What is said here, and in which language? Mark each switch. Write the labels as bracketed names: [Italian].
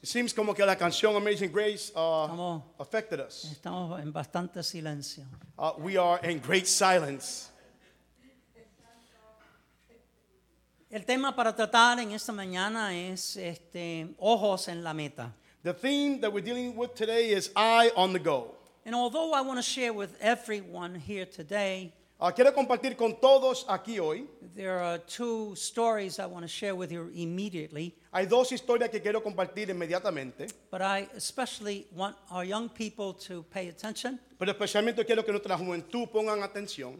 [English] It seems [Spanish] como que la canción [English] Amazing Grace affected us. [Spanish] Estamos en bastante silencio. [English] We are in great silence. [Spanish] El tema para tratar en esta mañana es ojos en la meta. [English] The theme that we're dealing with today is eye on the go. And although I want to share with everyone here today, [Spanish] quiero compartir con todos aquí hoy. [English] There are two stories I want to share with you immediately. [Spanish] Hay dos historias que quiero compartir inmediatamente. [English] But I especially want our young people to pay attention. [Spanish] Pero especialmente quiero que nuestra juventud pongan atención.